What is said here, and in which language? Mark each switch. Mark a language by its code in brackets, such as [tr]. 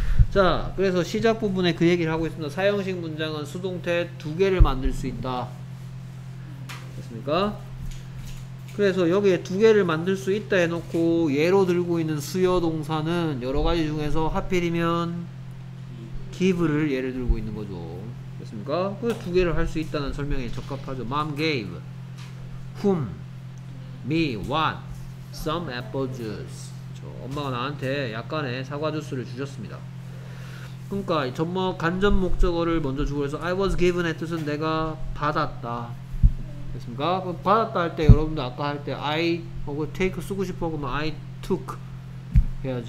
[ko] 자, 그래서 시작 부분에 그 얘기를 하고 있습니다. 사형식 문장은 수동태 두 개를 만들 수 있다. 됐습니까? 그래서 여기에 두 개를 만들 수 있다 해놓고 예로 들고 있는 수여 동사는 여러 가지 중에서 하필이면 give를 예를 들고 있는 거죠. 됐습니까? 그래서 두 개를 할 수 있다는 설명에 적합하죠. [en] Mom gave, whom, me, what, some apple juice. [ko] 그렇죠. 엄마가 나한테 약간의 사과 주스를 주셨습니다. 그러니까 전목 간접 목적어를 먼저 주고 해서 [en] I was given [ko] 의 뜻은 내가 받았다. 됐습니까? 받았다 할 때 여러분들 아까 할 때 I 혹은 take 쓰고 싶어 그러면 [en] I took [ko] 해야지.